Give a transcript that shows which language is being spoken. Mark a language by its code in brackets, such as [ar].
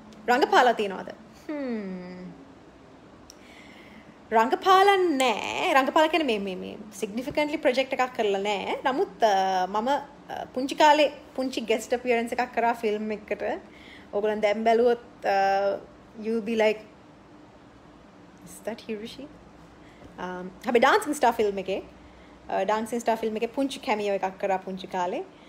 [si] රංගපාලා තියෙනවද? රංගපාලා නෑ. රංගපාලා කියන්නේ මේ මේ මේ සිග්නිෆිකන්ට්ලි ප්‍රොජෙක්ට් එකක් කරලා නෑ. නමුත් මම පුංචි කාලේ පුංචි ගෙස්ට් අපියරන්ස් එකක් කරා ෆිල්ම් එකට. ඕගොල්ලන් දැන් බැලුවොත් [en] you'll be like is that Hirushi? [si] හැබැයි dancing star film එකේ dancing star film එකේ පුංචි කැමියෝ එකක් කරා පුංචි කාලේ.